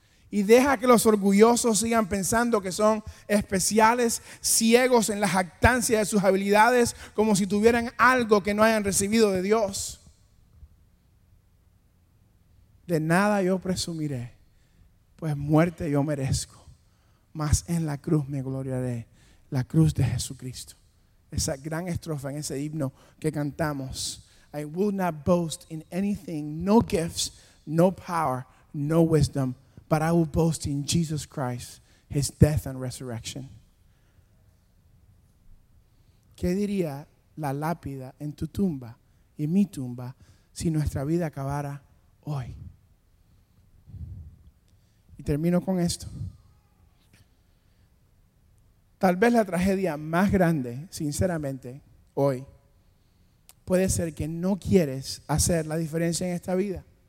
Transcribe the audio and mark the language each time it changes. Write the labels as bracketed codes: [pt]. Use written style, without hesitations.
[es] Y deja que los orgullosos sigan pensando que son especiales, ciegos en la jactancia de sus habilidades, como si tuvieran algo que no hayan recibido de Dios. De nada yo presumiré, pues muerte yo merezco, mas en la cruz me gloriaré, la cruz de Jesucristo. Esa gran estrofa en ese himno que cantamos. [en] I will not boast in anything, no gifts, no power, no wisdom, but I will boast in Jesus Christ, His death and resurrection. [es] ¿Qué diría la lápida en tu tumba y mi tumba si nuestra vida acabara hoy? Y termino con esto. Tal vez la tragedia más grande, sinceramente, hoy, puede ser que no quieres hacer la diferencia en esta vida.